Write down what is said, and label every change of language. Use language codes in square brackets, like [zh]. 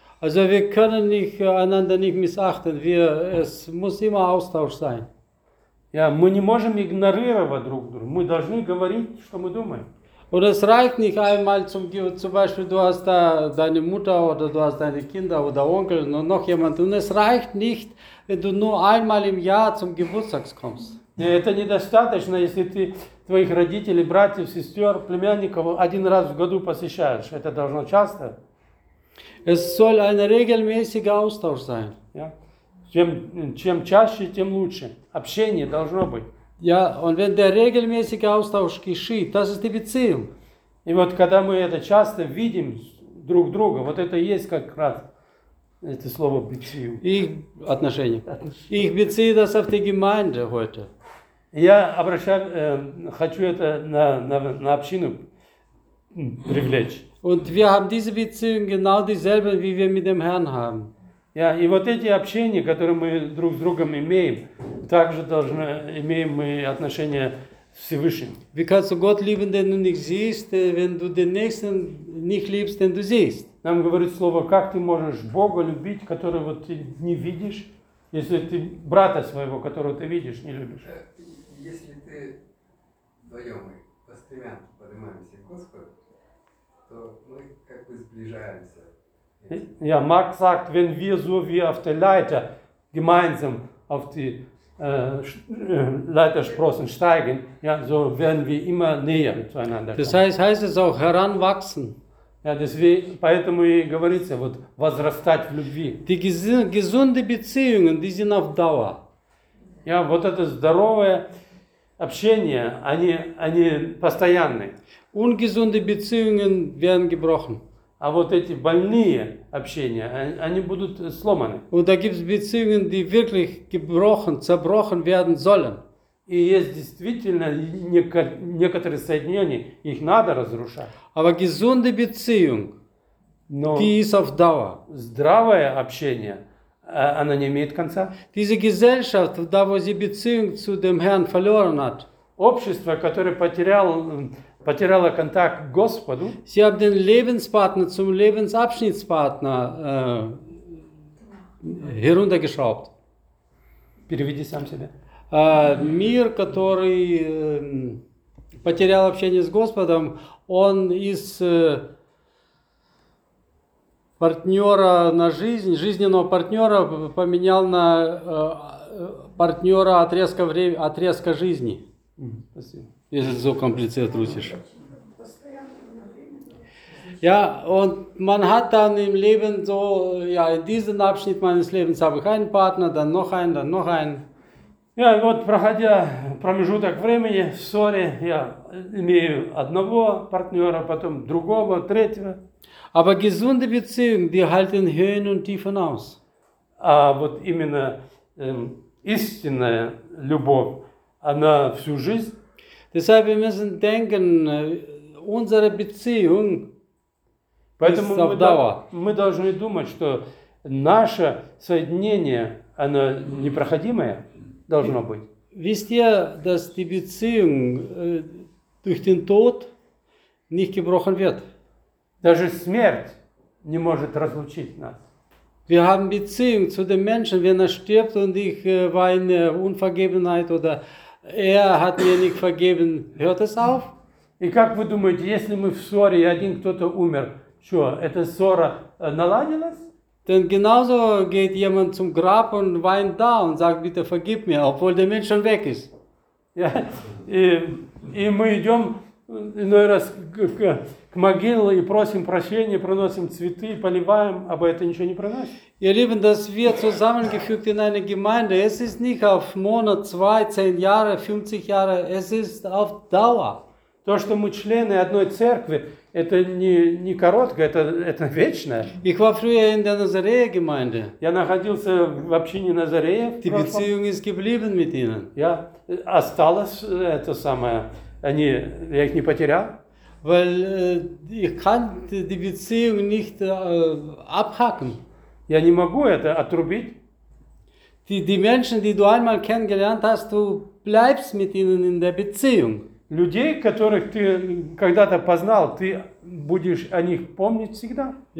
[de] Also wir können nicht einander nicht missachten. Wir, es muss immer Austausch sein. [ru] Ja, мы не можем игнорировать друг друга. Мы должны говорить, что мы думаем. [de] Und es reicht nicht einmal zum Beispiel, du hast da deine Mutter oder du hast deine Kinder oder Onkel und noch jemand. Und es reicht nicht, wenn du nur einmal im Jahr zum Geburtstag kommst. [ru] Nee, это недостаточно, если ты твоих родителей, братьев, сестер, племянников один раз в году посещаешь. Это должно часто. [de] Es soll ein regelmäßiger Austausch sein. [ru] Ja. Чем чаще, тем лучше. Общение должно быть. [de] Ja, und wenn der regelmäßige Austausch geschieht, das ist die Beziehung. [ru] И вот когда мы это часто видим друг друга, вот это есть как раз это слово Beziehung. [de] Ich отношения. Ich beziehe das auf die Gemeinde heute. [ru] Я обращаю хочу это на общину привлечь. [de] Und wir haben diese Beziehung genau dieselbe, wie wir mit dem Herrn haben. [ru] Ja, и вот эти общения, которые мы друг с другом имеем, также должны имеем мы отношения с Всевышним. [de] Wie kannst du Gott lieben, den du nicht siehst, wenn du den Nächsten nicht liebst, den du siehst? [ru] Нам говорит слово, как ты можешь Бога любить, которого вот ты не видишь, если ты брата своего, которого ты видишь, не любишь? Если ты вдвоем мы по стремян поднимаемся к Господу, то мы как бы сближаемся. [de] Ja, Marc sagt, wenn wir so wie auf der Leiter gemeinsam auf die Leitersprossen steigen, ja, so werden wir immer näher zueinander kommen. Das heißt es auch heranwachsen. Ja, deswegen, [ru] поэтому и говорится, вот, возрастать в любви. [de] Die gesunde Beziehungen, die sind auf Dauer. [ru] Ja, вот это здоровое общение, они постоянные. [de] Ungesunde Beziehungen werden gebrochen. [ru] А вот эти больные общения, они будут сломаны. [de] Und da gibt's Beziehungen, die wirklich gebrochen, zerbrochen werden sollen. [ru] И есть действительно некоторые соединения, их надо разрушать. [de] Aber gesunde Beziehung, die ist auf Dauer. [ru] Здравое общение, оно не имеет конца. [de] Diese Gesellschaft, da wo sie Beziehung zu dem Herrn verloren hat. [ru] Общество, которое потеряла контакт к Господу. [de] Sie haben den Lebenspartner zum Lebensabschnittspartner heruntergeschraubt. [ru] Переведи сам себя. Мир, который потерял общение с Господом, он из партнера на жизнь, жизненного партнера поменял на партнера отрезка жизни. Спасибо. Если [de] so kompliziert russisch. Ja, und man hat dann im Leben so, ja, in diesem Abschnitt meines Lebens habe ich einen Partner, dann noch einen, dann noch einen. [ru] Ja, вот проходя промежуток времени, sorry, я имею одного партнера, потом другого, третьего. [de] Aber gesunde Beziehungen, die halten Höhen und Tiefen aus. [ru] А вот именно истинная любовь, она всю жизнь. [de] Deshalb müssen wir denken, unsere Beziehung [ru] Поэтому [de] ist auf Dauer. [ru] Мы должны думать, что наше соединение, оно непроходимое должно быть. [de] Wisst ihr, dass die Beziehung durch den Tod nicht gebrochen wird? [ru] Даже смерть не может разлучить нас. [de] Wir haben Beziehung zu den Menschen, wenn er stirbt und ich war in Unvergebenheit oder er hat mir nicht vergeben, hört es auf? [ru] И как вы думаете, если мы в ссоре, и один кто-то умер, что, эта ссора наладилась? [de] Denn genauso geht jemand zum Grab und weint da und sagt, bitte vergib mir, obwohl der Mensch schon weg ist. [ru] Ja, и мы идем, иной раз, к могилу и просим прощения, приносим цветы, поливаем, [de] aber [ru] это ничего не приносит. [de] Ihr Lieben, dass wir zusammengefügt in eine Gemeinde, es ist nicht auf Monat, zwei, zehn Jahre, 50 Jahre, es ist auf Dauer. [ru] То, что мы члены одной церкви, это не короткое, это вечное. [de] Ich war früher in der Nazaree-Gemeinde. [ru] Я находился в общине Назареев. [de] Die Beziehung ist geblieben mit ihnen. [ru] Я осталось это самое. Они, я их не потерял. [de] Weil ich kann die Beziehung nicht abhaken. [ru] Я не могу это отрубить. [de] Die Menschen, die du einmal kennengelernt hast, du bleibst mit ihnen in der Beziehung. [ru] Людей, которых ты когда-то познал, ты будешь о них помнить всегда.